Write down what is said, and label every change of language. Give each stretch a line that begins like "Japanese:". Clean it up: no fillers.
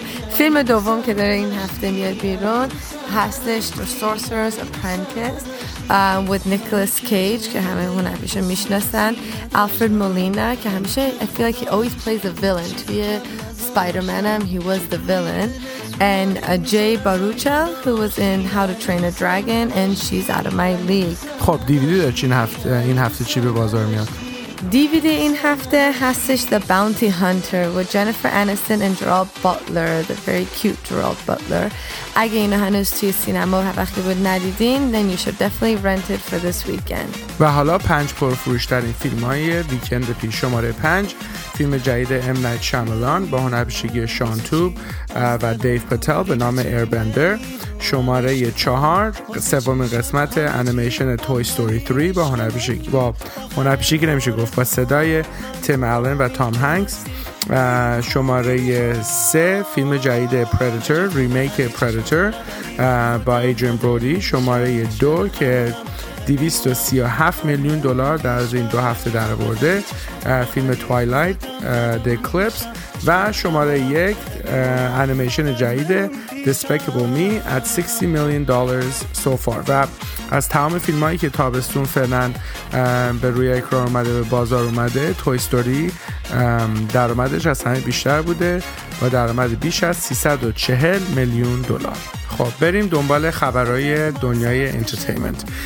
Persian: فیلم دوم که داره این هفته میاد بیرون هستش The Sorcerer's Apprentice with Nicolas Cage که همه اون همیشه میشناسن، Alfred Molina که همیشه
English: I feel like he always plays a villain.
Persian: توی Spider-Man هم
English: he was the villain. And Jay Baruchel who was in How to Train a Dragon and She's Out of My League.
Persian: خب DVD داره چی این هفته چی به بازار میاد؟
English: DVD
Persian: این هفته هستش
English: The Bounty Hunter with Jennifer Aniston and Gerard Butler, the very cute Gerard Butler.
Persian: اگه اینو هنوز توی سینما هر وقتی بود ندیدین،
English: then you should definitely rent it for this weekend.
Persian: و حالا پنج پرفروش‌ترین فیلم‌های ویکند پیش. شماره 5، فیلم جدید M. Night Shyamalan با هنرپیشگی شان توب و دیو پاتل به نام Airbender. شماره 4، سومین قسمت انیمیشن Toy Story 3 با هنرپیشگی نمیشه گفت با صدای تیم آلن و تام هنگس. شماره 3، فیلم جدید Predator، ریمیک Predator با ایدریان برودی. شماره 2 که 237 میلیون دلار در از این دو هفته درآورده، فیلم توایلایت The Eclipse. و شماره 1 انیمیشن جدید Despicable Me
English: at $60 million so far.
Persian: و از تمام فیلم هایی که تابستون فعلا به روی اکران اومده به بازار اومده، Toy Story درآمدش از همه بیشتر بوده و درآمد بیش از $340 میلیون. خب بریم دنبال خبرهای دنیای انترتینمنت.